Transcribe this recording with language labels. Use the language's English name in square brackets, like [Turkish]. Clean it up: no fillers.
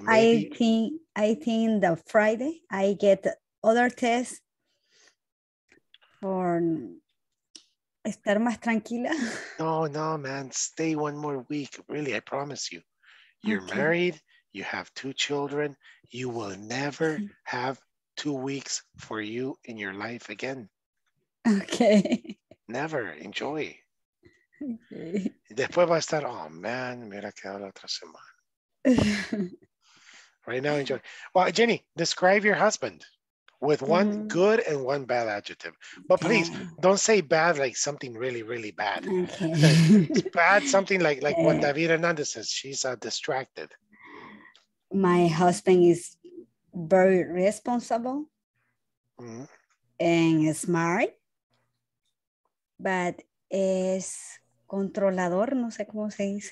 [English] Maybe. I think the Friday I get other tests for [Spanish] estar más tranquila. [English] No, man. Stay one more week. Really, I promise you. You're okay. Married. You have two children. You will never have 2 weeks for you in your life again. Okay. Never. Enjoy. Okay. [Spanish] Después va a estar, [English] oh, man, [Spanish] me hubiera quedado la otra semana. [English] Right now, enjoy. Well, Jenny, describe your husband with one good and one bad adjective. But please, don't say bad like something really, really bad. Okay. Bad something like what David Hernandez says. She's distracted. My husband is very responsible and smart, but is [Spanish] controlador, no sé cómo se dice.